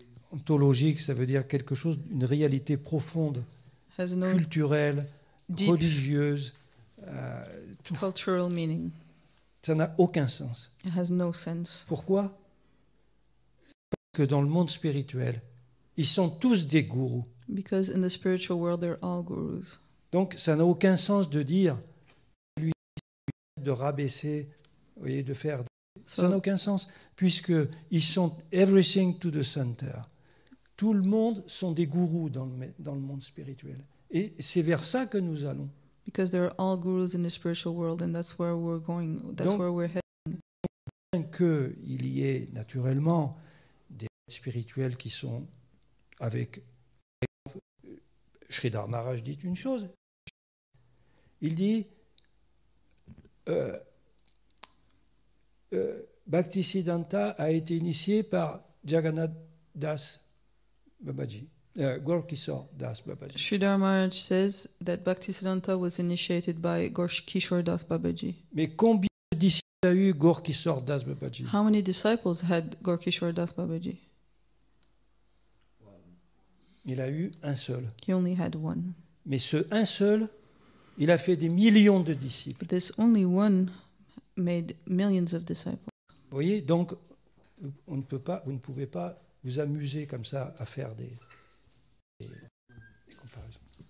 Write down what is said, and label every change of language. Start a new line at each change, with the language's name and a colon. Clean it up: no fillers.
French: Ontologique, ça veut dire quelque chose, une réalité profonde,
English: has no
French: culturelle,
English: deep
French: religieuse, tout.
English: Cultural meaning.
French: Ça n'a aucun sens.
English: It has no sense.
French: Pourquoi? Parce que dans le monde spirituel, ils sont tous des gourous.
English: Because in the spiritual world, they're all gurus.
French: Donc, ça n'a aucun sens de dire lui de rabaisser, vous voyez, de faire. Ça n'a aucun sens, puisque ils sont
English: everything to the center.
French: Tout le monde sont des gourous dans le monde spirituel. Et c'est vers ça que nous allons.
English: Because there are all gurus in the spiritual world, and that's where we're going, that's
French: donc,
English: where we're heading.
French: Bien qu'il y ait naturellement des spirituels qui sont avec... Sridhar Maharaj dit une chose. Il dit, Bhaktisiddhanta a été initié par Jagannath Das Babaji, Gorkhisor Das Babaji.
English: Sridhar Maharaj says that Bhaktisiddhanta was initiated by Gorkhisor Das Babaji.
French: Mais combien de disciples a eu Gorkhisor Das Babaji?
English: How many disciples had Gorkhisor Das Babaji?
French: Il a eu un seul.
English: He only had one.
French: Mais ce un seul, il a fait des millions de disciples.
English: But this only one made millions of disciples.
French: Vous voyez, donc, on ne peut pas, vous ne pouvez pas vous amuser comme ça à faire des comparaisons.